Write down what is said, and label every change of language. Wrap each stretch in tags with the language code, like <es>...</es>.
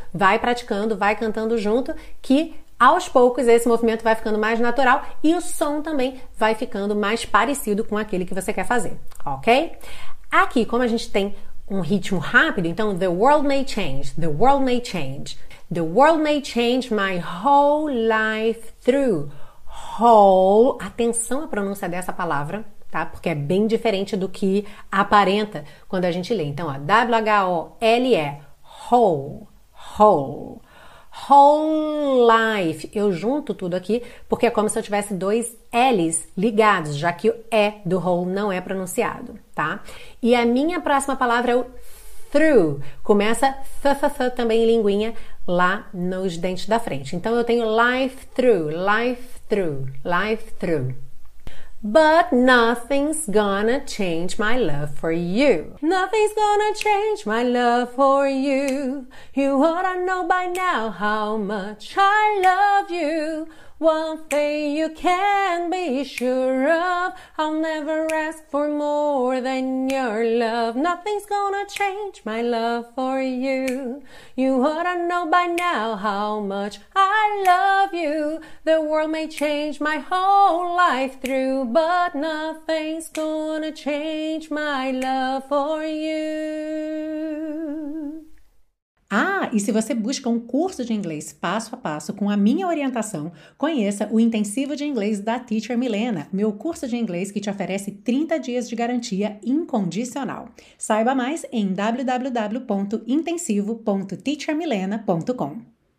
<pt>Vai praticando, vai cantando junto, que aos poucos esse movimento vai ficando mais natural e o som também vai ficando mais parecido com aquele que você quer fazer, ok? Aqui, como a gente tem um ritmo rápido, então</pt> <en>the world may change,</en> <pt>the world may change.</pt> <en>The world may change my whole life through.</en> <pt>Whole, atenção à pronúncia dessa palavra, tá? Porque é bem diferente do que aparenta quando a gente lê. Então, ó, W-H-O-L-E, whole, whole, whole life. Eu junto tudo aqui porque é como se eu tivesse dois L's ligados, já que o E do whole não é pronunciado, tá? E a minha próxima palavra é o through. Começa th-th-th também em linguinha lá nos dentes da frente. Então, eu tenho</pt> <en>life through, life through, life through. But nothing's gonna change my love for you. Nothing's gonna change my love for you. You oughta know by now how much I love you. One thing you can be sure of, I'll never ask for more than your love. Nothing's gonna change my love for you. You ought to know by now how much I love you. The world may change my whole life through, but nothing's gonna change my love for you.</en> <pt>Ah, e se você busca um curso de inglês passo a passo com a minha orientação, conheça o Intensivo de Inglês da Teacher Milena, meu curso de inglês que te oferece 30 dias de garantia incondicional. Saiba mais em www.intensivo.teachermilena.com.</pt>